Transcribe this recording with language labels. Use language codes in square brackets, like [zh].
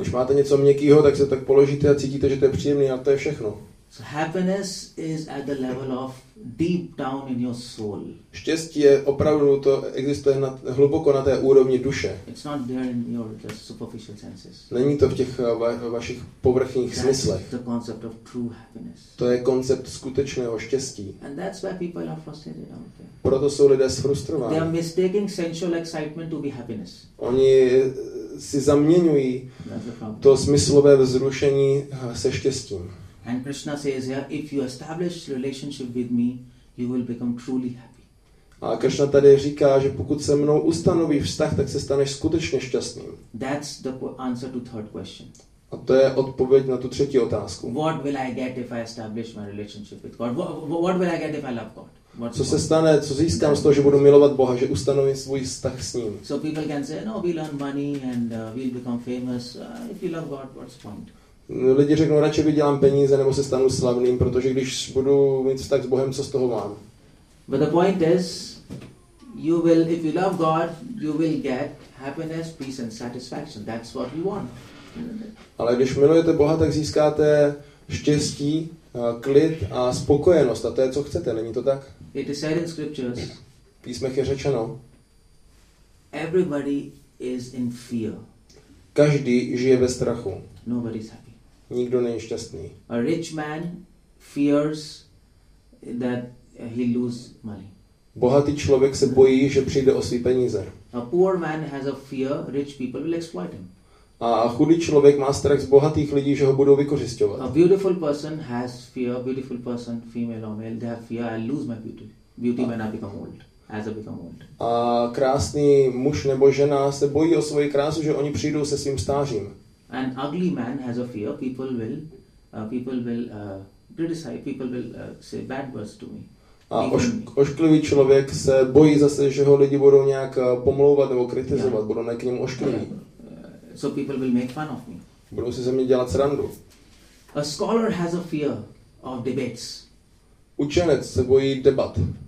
[cs] Když máte něco měkkého, tak se tak položíte a cítíte, že to je příjemné, a to je všechno. [en] So happiness is at the level of deep down in your soul. [cs] Štěstí je opravdu, to existuje hluboko na té úrovni duše. [en] It's not there in your just superficial senses. [cs] Není to v těch vašich povrchních smyslech. [en] That's the concept of true happiness. [cs] To je koncept skutečného štěstí. [en] And that's why people are frustrated out there. [cs] Proto jsou lidé sfrustrovaní. [en] They are mistaking sensual excitement to be happiness. [cs] Oni si zaměňují to smyslové vzrušení se štěstím. [en] And Krishna says here, if you establish relationship with me, you will become truly happy. [cs] A Krishna tady říká, že pokud se mnou ustanovíš vztah, tak se staneš skutečně šťastným. [en] That's the answer to third question. [cs] A to je odpověď na tu třetí otázku. [en] What will I get if I establish my relationship with God? What will I get if I love God? What's [cs] co se stane, co získám z toho, že budu milovat Boha, že ustanovím svůj vztah s ním? [en] So people can say, no, we'll earn money and we'll become famous. If you love God, what's the point? [cs] Lidi řeknou, radši vydělám peníze, nebo se stanu slavným, protože když budu mít vztah s Bohem, co z toho mám? [en] But the point is, you will, if you love God, you will get happiness, peace and satisfaction. That's what you want. [cs] Ale když milujete Boha, tak získáte štěstí, klid a spokojenost. A to je, co chcete, není to tak? [en] It is said in scriptures. [cs] V písmech je řečeno. [en] Everybody is in fear. [cs] Každý žije ve strachu. [en] Nobody is happy. [cs] Nikdo není šťastný. [en] A rich man fears that he lose money. [cs] Bohatý člověk se bojí, že přijde o své peníze. [en] A poor man has a fear rich people will exploit him. [cs] A chudý člověk má strach z bohatých lidí, že ho budou vykořisťovat. [en] A beautiful person has fear, beautiful person, female or male, they have fear I'll lose my beauty when I become old. [cs] A krásný muž nebo žena se bojí o svoji krásu, že oni přijdou se svým stářím. [en] An ugly man has a fear people will criticize, people will say bad words to me. [cs] A ošklivý člověk se bojí zase, že ho lidi budou nějak pomlouvat nebo kritizovat, budou ne k němu oškliví. [en] So people will make fun of me. [cs] Budou si ze mě dělat srandu. [en] A scholar has a fear of debates. [cs] Učenec se bojí debat.